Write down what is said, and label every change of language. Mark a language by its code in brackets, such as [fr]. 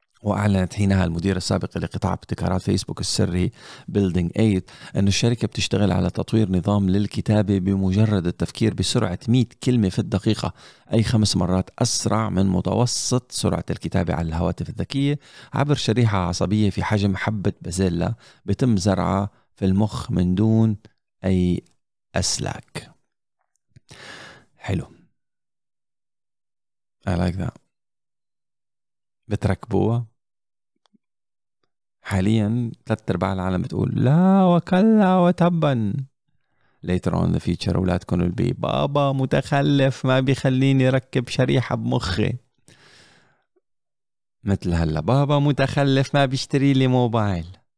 [ar] وأعلنت حينها المدير السابق لقطاع ابتكارات فيسبوك السري بيلدينغ 8 أن الشركة بتشتغل على تطوير نظام للكتابة بمجرد التفكير بسرعة 100 كلمة في الدقيقة أي 5 مرات أسرع من متوسط سرعة الكتابة على الهواتف الذكية عبر شريحة عصبية في حجم حبة بازيلا بتم زرعها في المخ من دون أي أسلاك. حلو [en] I like that. [ar] بتركبوها حاليا 3/4 العالم بتقول لا وكلا وتبا [en] later on in the future [ar] ولا تكون البي بابا متخلف ما بيخليني ركب شريحة بمخي مثل هلا بابا متخلف ما بيشتري لي موبايل.